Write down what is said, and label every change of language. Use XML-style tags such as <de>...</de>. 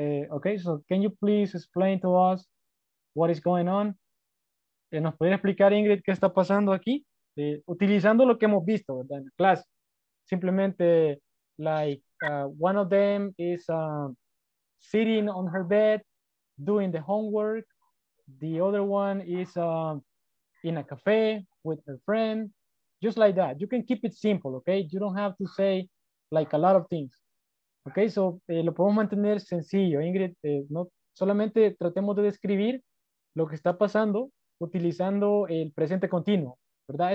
<en>Okay, so can you please explain to us what is going on?</en> <es>¿Nos podría explicar, Ingrid, qué está pasando aquí? Utilizando lo que hemos visto, ¿verdad? En la clase. Simplemente,</es> <en>like, one of them is sitting on her bed doing the homework. The other one is in a cafe with her friend. Just like that. You can keep it simple, okay? You don't have to say, like, a lot of things.</en> <es>Ok, so lo podemos mantener sencillo, Ingrid. No solamente tratemos de describir lo que está pasando utilizando el presente continuo, ¿verdad?</es>